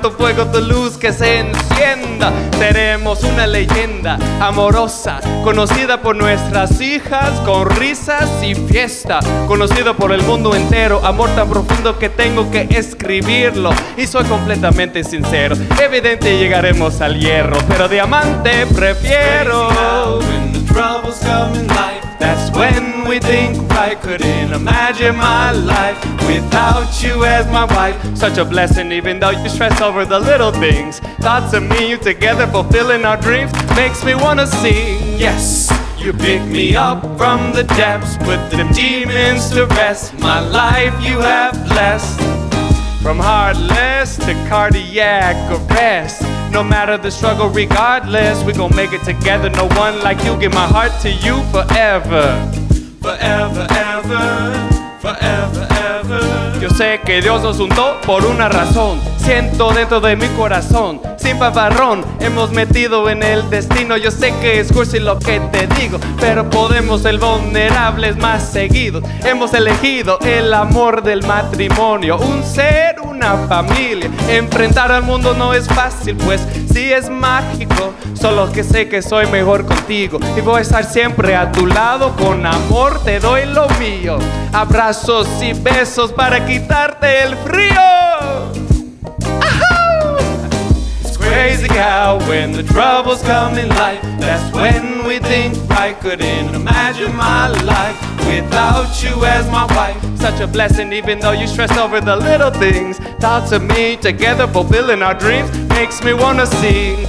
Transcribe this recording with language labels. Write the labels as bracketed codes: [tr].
[es] Tu fuego, tu luz que se encienda. Seremos una leyenda amorosa, conocida por nuestras hijas con risas y fiesta, conocida por el mundo entero. Amor tan profundo que tengo que escribirlo y soy completamente sincero. Evidente, llegaremos al hierro, pero diamante prefiero. [en] Troubles come in life, that's when we think right. Couldn't imagine my life without you as my wife. Such a blessing, even though you stress over the little things. Thoughts of me and you together fulfilling our dreams makes me wanna sing. Yes, you pick me up from the depths, put them demons to rest. My life you have blessed. From heartless to cardiac arrest. No matter the struggle, regardless, we gon' make it together. No one like you, give my heart to you forever. Forever, ever, forever, ever. [es] Yo sé que Dios nos juntó por una razón. Siento dentro de mi corazón, sin paparrón, hemos metido en el destino. Yo sé que es cursi lo que te digo, pero podemos ser vulnerables más seguidos. Hemos elegido el amor del matrimonio, un ser, una familia. Enfrentar al mundo no es fácil, pues sí es mágico. Solo que sé que soy mejor contigo y voy a estar siempre a tu lado. Con amor te doy lo mío, abrazos y besos para quitarte el frío. [en] Crazy how when the troubles come in life, that's when we think I couldn't imagine my life without you as my wife. Such a blessing, even though you stress over the little things. Thoughts of me together fulfilling our dreams makes me wanna sing.